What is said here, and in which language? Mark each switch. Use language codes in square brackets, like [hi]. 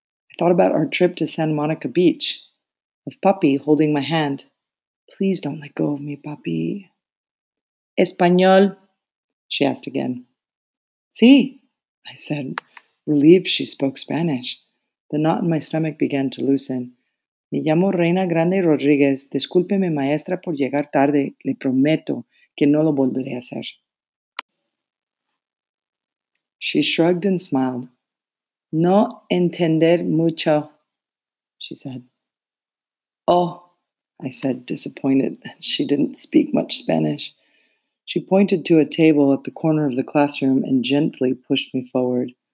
[en] I thought about our trip to San Monica Beach, of Papi holding my hand. "Please don't let go of me, Papi." "Español?" she asked again. "Sí," I said, relieved she spoke Spanish. The knot in my stomach began to loosen. [es] "Me llamo Reina Grande Rodríguez. Discúlpeme, maestra, por llegar tarde. Le prometo que no lo volveré a hacer." [en] She shrugged and smiled. [es] "No entender mucho," [en] she said. "Oh," I said, disappointed that she didn't speak much Spanish. She pointed to a table at the corner of the classroom and gently pushed me forward.